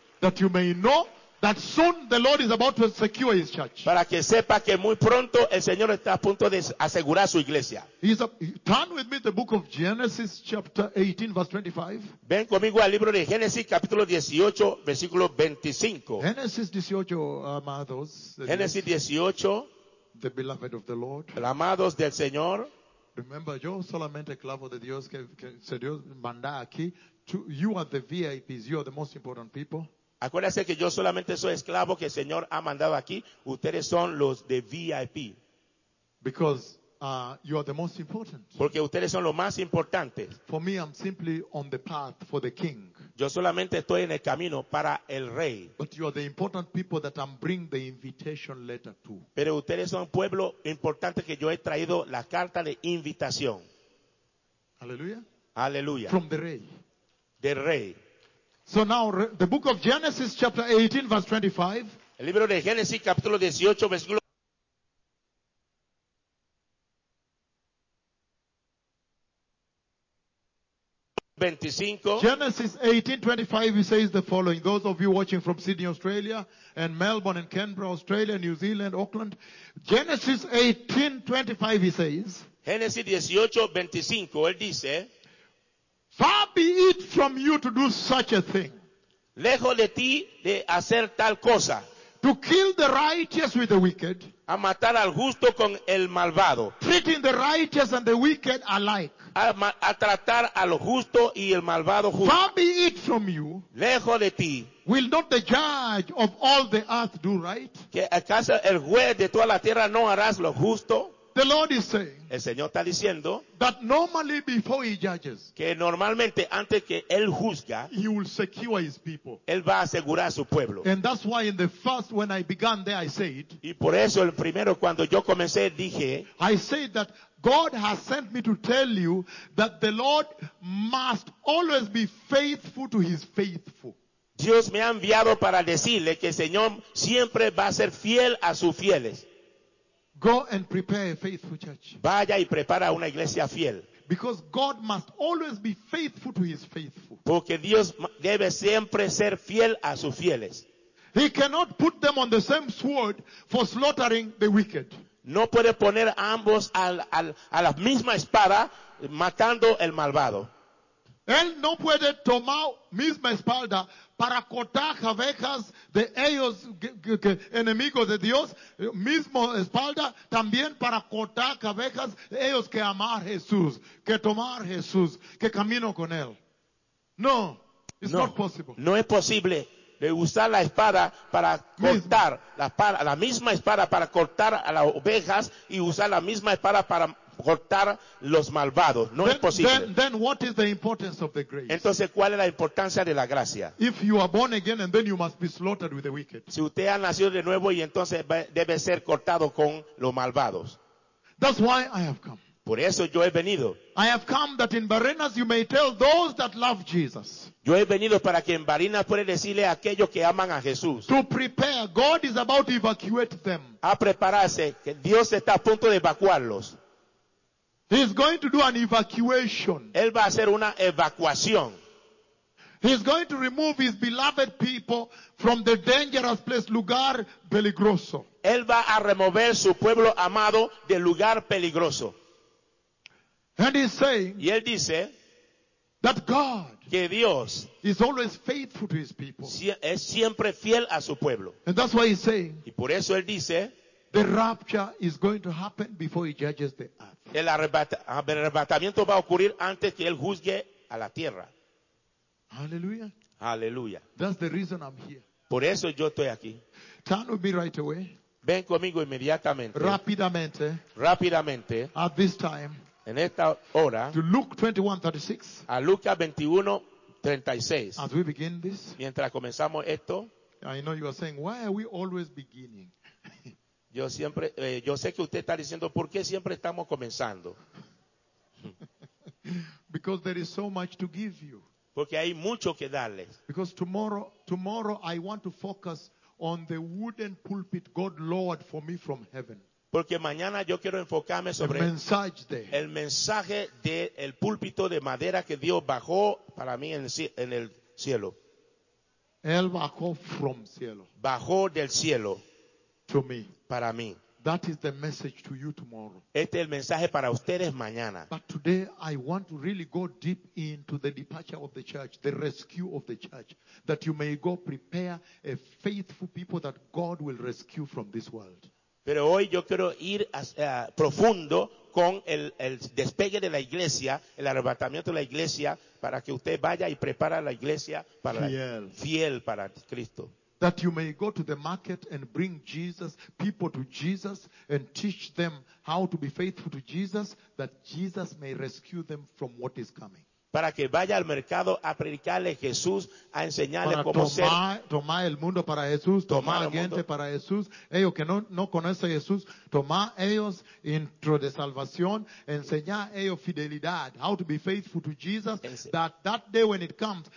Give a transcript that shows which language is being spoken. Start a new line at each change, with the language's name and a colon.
English: That you may know that soon the Lord is about to secure his church.
Spanish: Para que sepa que muy pronto el Señor está a punto de asegurar su iglesia.
English: Turn with me to the book of Genesis chapter 18 verse 25.
Spanish: Ven conmigo al libro de Génesis capítulo 18 versículo 25.
English: Genesis 18,
Spanish: amados. Génesis 18.
English: The beloved of the Lord.
Spanish: El amados del Señor.
English: Remember,
Spanish: yo solamente clavo de Dios que Dios manda aquí.
English: You are the VIPs. You are the most important people.
Spanish: Acuérdese que yo solamente soy esclavo que el Señor ha mandado aquí. Ustedes son los de VIP.
English: Because you are the most important.
Spanish: Porque ustedes son los más importantes.
English: For me, I'm simply on the path for the king.
Spanish: Yo solamente estoy en el camino para el rey.
English: But you are the important people that I'm bringing the invitation letter to.
Spanish: Pero ustedes son pueblo importante que yo he traído la carta de invitación. Aleluya. Aleluya.
English: From the
Spanish: rey. Del rey.
English: So now, the book of Genesis, chapter 18, verse 25.
Spanish: El libro de Génesis, capítulo 18, versículo.
English: Genesis 18:25 says the following. Those of you watching from Sydney, Australia, and Melbourne, and Canberra, Australia, New Zealand, Auckland. Genesis 18:25 he says.
Spanish: Genesis 18:25, él dice.
English: Far be it from you to do such a thing.
Spanish: Lejos de ti de hacer tal cosa.
English: To kill the righteous with the wicked.
Spanish: A matar al justo con el malvado.
English: Treating the righteous and the wicked alike.
Spanish: A tratar a lo justo y el malvado justo.
English: Far be it from you.
Spanish: Lejos de ti.
English: Will not the judge of all the earth do right?
Spanish: ¿Que acaso el juez de toda la tierra no harás lo justo?
English: The Lord is saying.
Spanish: El Señor está diciendo.
English: That normally before he judges.
Spanish: Que normalmente antes que él juzga.
English: He will secure his people.
Spanish: Él va a asegurar a su pueblo.
English: And that's why in the first when I began there I said.
Spanish: Y por eso el primero cuando yo comencé dije.
English: I said that. God has sent me to tell you that the Lord must always be faithful to his faithful.
Spanish: Dios me ha enviado para decirle que el Señor siempre va a ser fiel a sus fieles.
English: Go and prepare a faithful church.
Spanish: Vaya y prepara una iglesia fiel.
English: Because God must always be faithful to his faithful.
Spanish: Porque Dios debe siempre ser fiel a sus fieles.
English: He cannot put them on the same sword for slaughtering the wicked.
Spanish: No puede poner a ambos a la misma espada matando el malvado. Él no puede tomar misma espada para cortar abejas de ellos enemigos de Dios. Mismo espalda también para cortar abejas de ellos que amar Jesús, que tomar Jesús, que camino con Él.
English: No, it's not possible.
Spanish: No es posible. De usar la espada para cortar, la misma espada para cortar a las ovejas y usar la misma espada para cortar los malvados. No
English: then,
Spanish: es posible.
English: Then what is the importance of the grace?
Spanish: Entonces, ¿cuál es la importancia de la gracia?
English: If you are born again and then you must be slaughtered with the wicked.
Spanish: Si usted ha nacido de nuevo y entonces debe ser cortado con los malvados.
English: That's why I have come.
Spanish: Por eso yo he venido.
English: I have come that in Barinas you may tell those that love Jesus.
Spanish: Yo he venido para que en Barinas pueda decirle a aquellos que aman a Jesús.
English: To prepare, God is about to evacuate them.
Spanish: A prepararse, que Dios está a punto de evacuarlos.
English: He is going to do an evacuation.
Spanish: Él va a hacer una evacuación.
English: He is going to remove his beloved people from the dangerous place,
Spanish: lugar peligroso. Él va a remover su pueblo amado del lugar peligroso.
English: And he's saying,
Spanish: y él dice,
English: that God.
Spanish: Que Dios
English: is always faithful to his people.
Spanish: Es siempre fiel a su pueblo.
English: And that's why he's saying,
Spanish: y por eso él dice,
English: the rapture is going to happen before he judges the earth.
Spanish: El arrebatamiento va a ocurrir antes que él juzgue a la tierra.
English: Hallelujah. Hallelujah. That's the reason I'm here.
Spanish: Por eso yo estoy aquí.
English: Turn with me right away.
Spanish: Ven conmigo inmediatamente. Rápidamente. Rápidamente.
English: At this time.
Spanish: En esta hora,
English: to Luke 21:36,
Spanish: a Lucas 21:36,
English: as we begin this,
Spanish: mientras comenzamos esto,
English: I know you are saying, why are we always beginning?
Spanish: Yo siempre, yo sé que usted está diciendo, ¿por qué siempre estamos comenzando?
English: Because there is so much to give you.
Spanish: Porque hay mucho que darles.
English: Because tomorrow I want to focus on the wooden pulpit God lowered for me from heaven.
Spanish: Porque mañana yo quiero enfocarme sobre el mensaje del púlpito de madera que Dios bajó para mí en el cielo. Él bajó
English: from
Spanish: cielo. Bajó del cielo. To me. Para mí. That is the message to you tomorrow. Este es el mensaje para ustedes mañana. But today I want to really go deep into the departure of the church, the rescue of the church, that you may go prepare a faithful people that God will rescue from this world. Pero hoy yo quiero ir profundo con el despegue de la iglesia, el arrebatamiento de la iglesia, para que usted vaya y prepare a la iglesia para fiel, fiel para Cristo.
English: That you may go to the market and bring Jesus, people to Jesus, and teach them how to be faithful to Jesus, that Jesus may rescue them from what is coming.
Spanish: Para que vaya al mercado a predicarle Jesús, a enseñarle para cómo tomar, ser. Tomar el mundo para Jesús, tomar la gente para Jesús. Ellos que no conocen a Jesús, tomar ellos dentro de salvación, enseñar ellos fidelidad,
English: how to be faithful to Jesus, that day when it comes,